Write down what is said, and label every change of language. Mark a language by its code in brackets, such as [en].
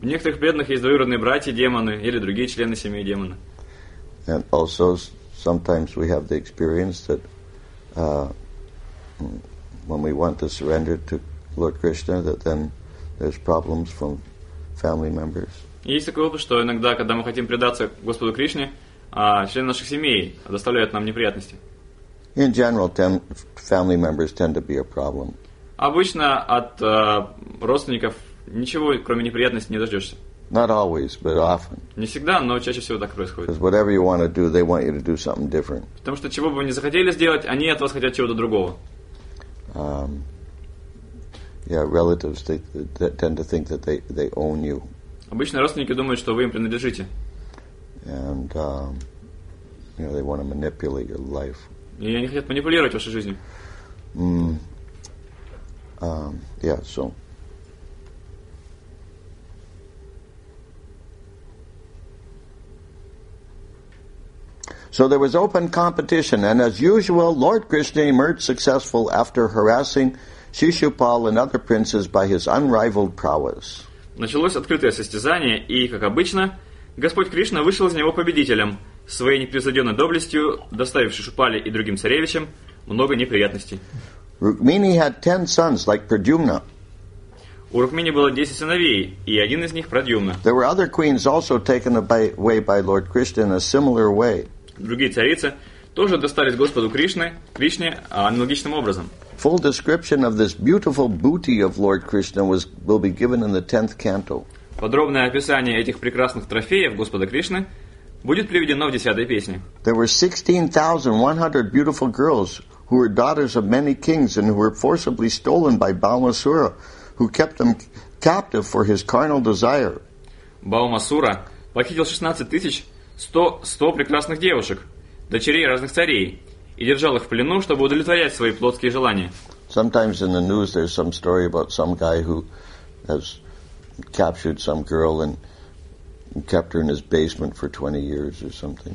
[ru] В некоторых преданных есть двоюродные братья демоны или другие члены семьи демоны. [en] And also sometimes we have the experience that when we want to surrender to Lord Krishna, that then there's problems from family members. [ru] Есть такой опыт, что иногда, когда мы хотим предаться Господу Кришне, члены наших семей доставляют нам неприятности. [en] In general, family members tend to be a problem. [ru] Обычно от родственников ничего, кроме неприятностей, не дождешься. [en] Not always, but often. [ru] Не всегда, но чаще всего так происходит. [en] Because whatever you want to do, they want you to do something different. [ru] Потому что чего бы вы ни захотели сделать, они от вас хотят чего-то другого. [en] Relatives they tend to think that they own you. [ru] Обычно родственники думают, что вы им принадлежите. [en] And they want to manipulate your life. [ru] И они хотят манипулировать вашей жизнью. [en] So there was open competition, and as usual, Lord Krishna emerged successful after harassing Shishupal and other princes by his unrivaled prowess. [ru] Началось открытое состязание, и, как обычно, Господь Кришна вышел из него победителем, своей непревзойденной доблестью, доставив Шишупале и другим царевичам много неприятностей. [en] Rukmini had 10 sons, like Pradyumna. [ru] У Рукмини было 10 сыновей, и один из них Прадьюмна. [en] There were other queens also taken away by Lord Krishna in a similar way. [ru] Другие царицы тоже достались Господу Кришне аналогичным образом. [en] Full description of this beautiful booty of Lord Krishna will be given in the 10th canto. [ru] Подробное описание этих прекрасных трофеев Господа Кришны будет приведено в 10-й песне. [en] There were 16,100 beautiful girls who were daughters of many kings and who were forcibly stolen by Balmasura, who kept them captive for his carnal desire. [ru] Балмасура похитил 16,100 прекрасных девушек, дочерей разных царей, и держал их в плену, чтобы удовлетворять свои плотские желания. [en] Sometimes in the news there's some story about some guy who has captured some girl and kept her in his basement for 20 years or something.